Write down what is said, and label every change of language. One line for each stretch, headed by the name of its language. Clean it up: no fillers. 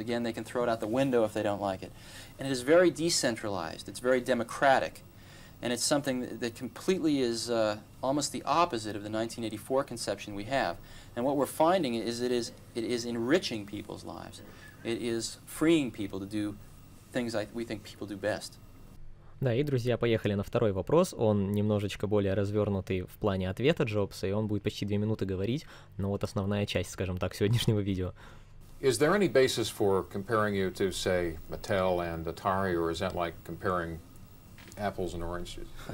English: Again, they can throw it out the window if they don't like it. And it is very decentralized, it's very democratic. And it's something that completely is almost the opposite of the 1984 conception we have. And what we're finding is it is enriching people's lives. It is freeing people to do things we think people do best.
Russian: Да, и, друзья, поехали на второй вопрос. Он немножечко более развернутый в плане ответа Джобса, и он будет почти две минуты говорить, но вот основная часть, скажем так, сегодняшнего видео.
English: Is there any basis for comparing you to, say, Mattel and Atari, or is that like comparing apples and oranges?